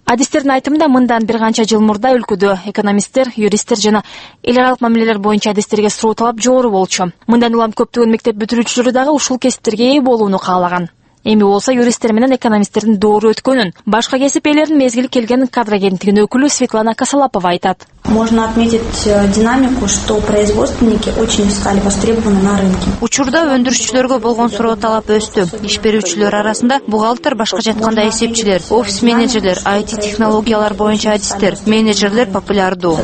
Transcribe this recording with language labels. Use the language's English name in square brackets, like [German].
[Kyrgyz] Адистердин айтымында мындан бир канча жыл мурда өлкөдө экономисттер, юристтер жана эл аралык мамилелер боюнча адистерге суроо талап жогору болчу. Мындан улам көптөгөн мектеп бүтүрүүчүлөрү дагы ушул кесиптерге ээ болууну каалаган. Эми болсо юристтер менен экономисттердин доору өткөнүн, башка кесип ээлеринин мезгил келгенин кадрагенттигин өкүлү Светлана Косолапова айтат. [Russian] Можно отметить динамику, что производственники очень искали востребованы на рынке. [Kyrgyz] Учурда өндүрүшчүлөргө болгон суроо талап өстү. Иш берүүчүлөр арасында бухгалтер, башка жатканда эсепчилер, офис менеджерлер, IT технологиялар боюнча адистер, менеджерлер популярдуу.